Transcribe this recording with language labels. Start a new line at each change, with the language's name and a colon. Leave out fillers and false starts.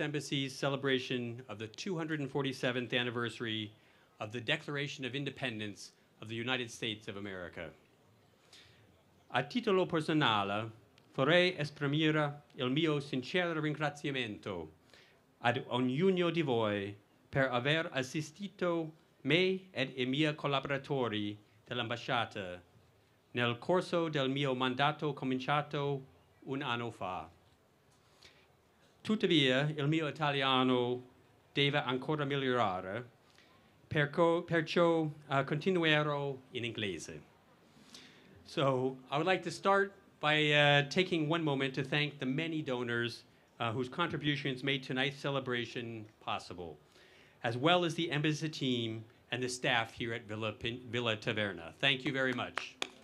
English: Embassy's celebration of the 247th anniversary of the Declaration of Independence of the United States of America.
Italian: A titolo personale, vorrei esprimere il mio sincero ringraziamento ad ognuno di voi per aver assistito me ed I miei collaboratori dell'ambasciata nel corso del mio mandato cominciato un anno fa. Tuttavia, il mio italiano deve ancora migliorare, perciò continuerò in inglese.
English: So I would like to start by taking one moment to thank the many donors whose contributions made tonight's celebration possible, as well as the embassy team and the staff here at Villa Taverna. Thank you very much.